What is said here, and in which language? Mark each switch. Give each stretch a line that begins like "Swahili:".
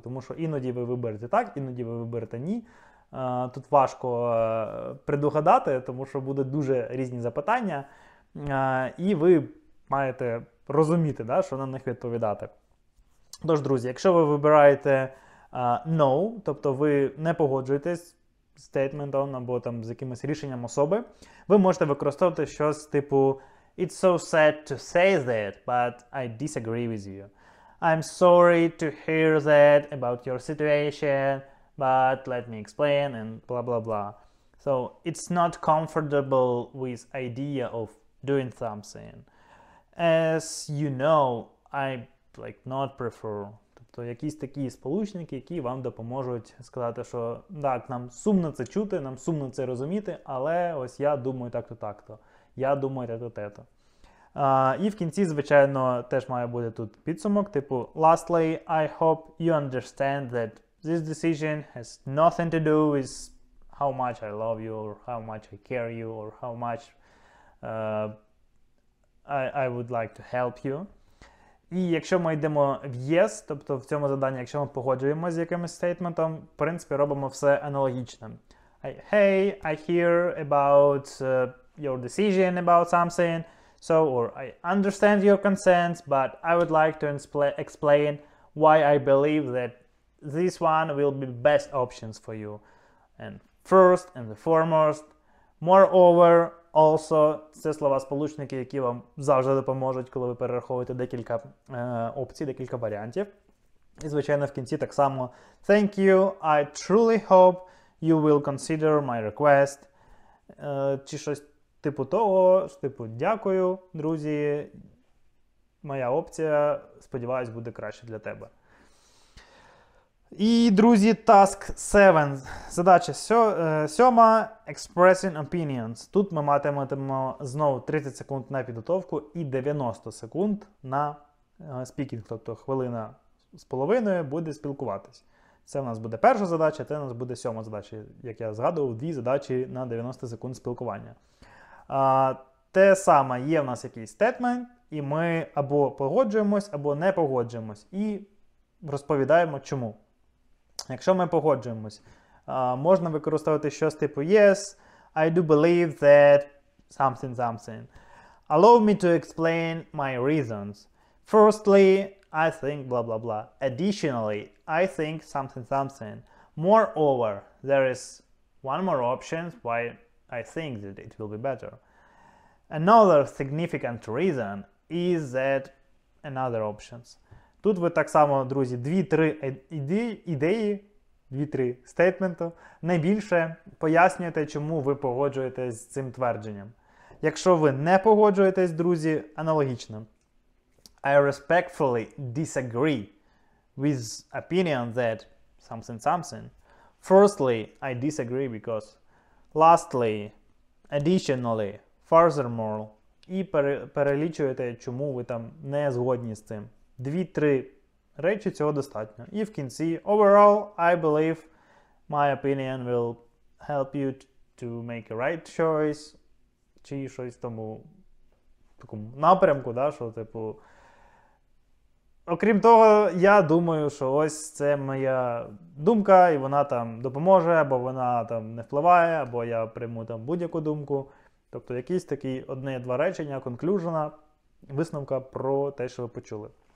Ukrainian: Тому що іноді ви виберете так, іноді ви виберете ні. Тут важко предугадати, тому що будуть дуже різні запитання, і ви маєте розуміти, да, що на них відповідати. Тож, друзі, якщо ви вибираєте no, тобто ви не погоджуєтесь стейтментом або там з якимось рішенням особи, ви можете використовувати щось типу
English: It's so sad to say that, but I disagree with you. I'm sorry to hear that about your situation, but let me explain and blah blah blah. So it's not comfortable with idea of doing something. As you know, I like not prefer.
Ukrainian: То якісь такі сполучники, які вам допоможуть сказати, що так, нам сумно це чути, нам сумно це розуміти, але ось я думаю так-то, так-то. Я думаю те-то. І в кінці, звичайно, теж має бути тут підсумок, типу
English: Lastly, I hope you understand that this decision has nothing to do with how much I love you, or how much I care you, or how much I would like to help you.
Ukrainian: І якщо ми йдемо в yes, тобто в цьому заданні, якщо ми погоджуємося з якимось стейтментом, в принципі, робимо все аналогічним.
English: Hey, I hear about your decision about something, so, or I understand your concerns, but I would like to explain why I believe that this one will be best options for you. And first and the foremost, moreover, also,
Ukrainian: це слова-сполучники, які вам завжди допоможуть, коли ви перераховуєте декілька опцій, декілька варіантів. І, звичайно, в кінці так само.
English: Thank you, I truly hope you will consider my request.
Ukrainian: Чи щось типу того, типу дякую, друзі, моя опція, сподіваюсь, буде краще для тебе. І, друзі, task 7. Задача 7.
English: Expressing opinions.
Ukrainian: Тут ми матимемо знову 30 секунд на підготовку і 90 секунд на speaking. Тобто хвилина з половиною буде спілкуватись. Це в нас буде перша задача, це в нас буде 7 задача. Як я згадував, дві задачі на 90 секунд спілкування. Те саме, є в нас якийсь statement, і ми або погоджуємось, або не погоджуємось. І розповідаємо чому. Якщо ми погоджуємось, можна використовувати щось типу
English: Yes, I do believe that something, something. Allow me to explain my reasons. Firstly, I think blah, blah, blah. Additionally, I think something, something. Moreover, there is one more option why I think that it will be better. Another significant reason is that another options.
Ukrainian: Тут ви так само, друзі, 2-3 ідеї, 2-3 стейтменту, найбільше пояснюєте, чому ви погоджуєтесь з цим твердженням. Якщо ви не погоджуєтесь, друзі, аналогічно.
English: I respectfully disagree with opinion that something something. Firstly, I disagree because lastly, additionally, furthermore.
Ukrainian: І перелічуєте, чому ви там не згодні з цим. 2-3 речі цього достатньо. І в кінці,
English: overall, I believe my opinion will help you to make a right choice,
Ukrainian: чи щось тому, такому напрямку, да, що, типу, Окрім того, я думаю, що ось це моя думка, і вона там допоможе, або вона там не впливає, або я прийму там будь-яку думку. Тобто якісь такі одне-два речення, конклюжена, висновка про те, що ви почули.